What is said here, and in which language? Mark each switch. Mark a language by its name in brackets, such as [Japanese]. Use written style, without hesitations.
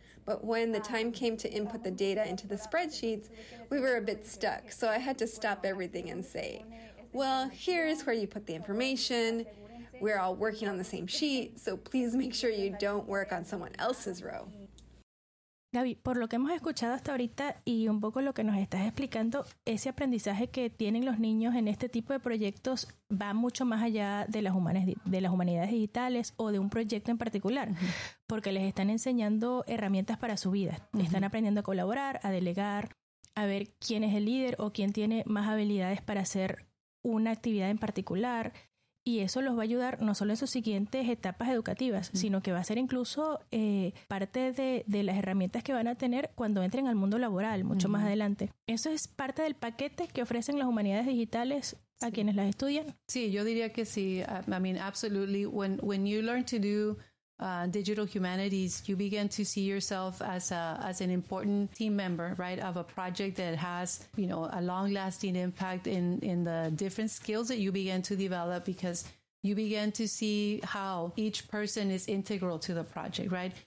[English] But when the time came to input the data into the spreadsheets, we were a bit stuck. So I had to stop everything and say, well, here's where you put the information. We're all working on the same sheet, so please make sure you don't work on someone else's row. [Spanish] Gaby, por lo que hemos escuchado hasta ahorita y un poco lo que nos estás explicando, ese aprendizaje que tienen los niños en este tipo de proyectos va mucho más allá de las humanidades digitales o de un proyecto en particular, uh-huh. porque les están enseñando herramientas para su vida. Uh-huh. Están aprendiendo a colaborar, a delegar, a ver quién es el líder o quién tiene más habilidades para hacer una actividad en particular. Y eso los va a ayudar no solo en sus siguientes etapas educativas, uh-huh. sino que va a ser incluso parte de las herramientas que van a tener cuando entren al mundo laboral mucho uh-huh. más adelante. ¿Eso es parte del paquete que ofrecen las humanidades digitales a sí. quienes las estudian? Sí, yo diría que sí. [English] I mean, absolutely. When you learn to do digital humanities, you begin to see yourself as an important team member, right, of a project that has, you know, a long-lasting impact in the different skills that you begin to develop, because you begin to see how each person is integral to the project, right?